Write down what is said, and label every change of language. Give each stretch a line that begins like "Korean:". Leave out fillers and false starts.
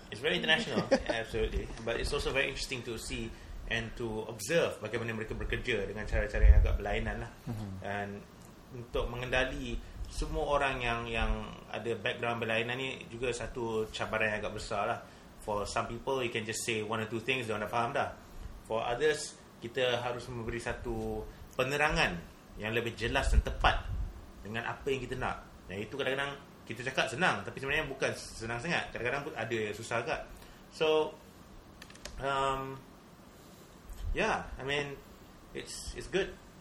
English: It's very international. Absolutely. But it's also very interesting to see and to observe
Malay: bagaimana mereka bekerja dengan cara-cara yang agak berlainan lah. And untuk mengendali semua orang yang ada background berlainan ni juga satu cabaran yang agak besar lah.
English: For some people, you can just say one or two things,
Malay: dia orang dah faham dah.
English: For others,
Malay: kita harus memberi satu penerangan yang lebih jelas dan tepat dengan apa yang kita nak. Dan itu kadang-kadang kita cakap senang, tapi sebenarnya bukan senang sangat. Kadang-kadang pun ada yang susah agak.
English: So yeah, I mean it's good.